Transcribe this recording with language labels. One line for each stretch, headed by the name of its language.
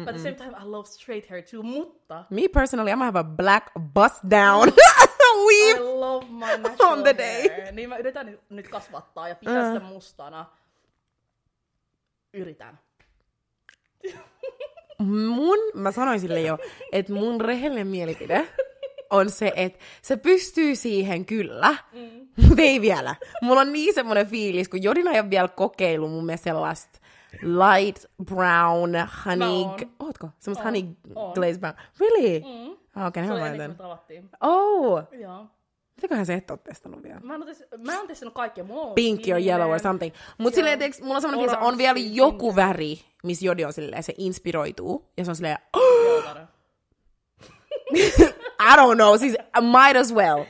English: But at the same time, I love straight hair too.
Finnish: Mutta...
English: Me personally, I'm gonna have a black bust down weave. I love my natural on the day. Hair.
Finnish: Niin mä yritän nyt kasvattaa ja pitää sitä mustana. Yritän. Mä sanoin sille jo, että mun rehellinen mielipide on se, että se pystyy siihen kyllä, mutta ei vielä. Mulla on niin semmoinen fiilis, kun Jodina ei ole vielä kokeillut mun mielestä sellaista
English: light brown honey...
Finnish: Ootko? Semmoista
English: honey glazed brown. Really? Mm. Okay,
Finnish: se on ennen kuin tavattiin. Oh! Joo. Mitäköhän sä et ole testannut vielä? Mä en ole testannut kaikkea.
English: Pink or yellow or something.
Finnish: Mutta silleen, että mulla on semmoinen, että on vielä joku väri, missä Jodi on silleen, se inspiroituu. Ja se on silleen,
English: oh! I don't know,
Finnish: siis
English: might as well.